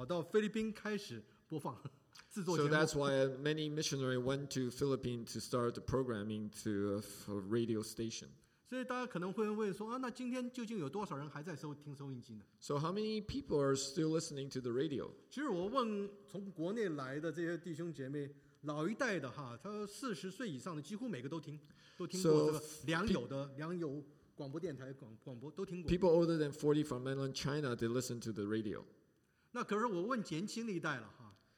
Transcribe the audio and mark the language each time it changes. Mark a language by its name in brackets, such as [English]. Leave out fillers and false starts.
[Chinese] 所以很多被赶出来宣教士呢就跑到菲律宾开始播放制作节目。 [English] So that's why many missionaries went to Philippines to start the programming to a radio station. [Chinese] 所以大家可能会问说，啊，那今天究竟有多少人还在收听收音机呢？ [English] So how many people are still listening to the radio? [Chinese] 其实我问从国内来的这些弟兄姐妹。老一代的哈，他40岁以上的几乎每个都听，都听过这个良友的良友广播电台广播都听过。 [English] People older than 40 from mainland China, they listen to the radio. [Chinese] 那可是我问年轻的一代了哈。